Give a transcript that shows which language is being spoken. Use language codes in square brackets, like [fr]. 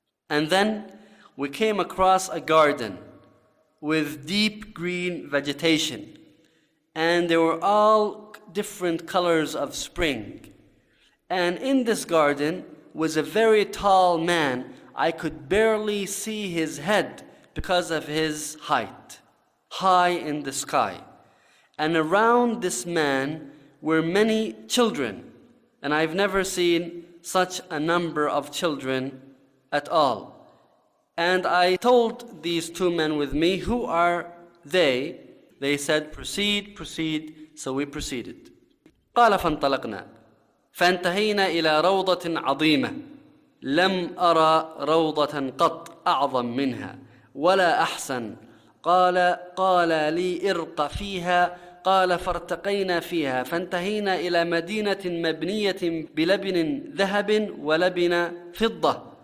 [en] And then we came across a garden with deep green vegetation and there were all different colors of spring and in this garden was a very tall man I could barely see his head because of his height high in the sky. And around this man were many children. And I've never seen such a number of children at all. And I told these two men with me, who are they? They said, proceed, proceed. So we proceeded. [ar] قال فانطلقنا فانتهينا إلى روضة عظيمة لم أرى روضة قط أعظم منها ولا أحسن. قال لي ارق فيها. قال فارتقينا فيها فانتهينا إلى مدينة مبنية بلبن ذهب ولبن فضة.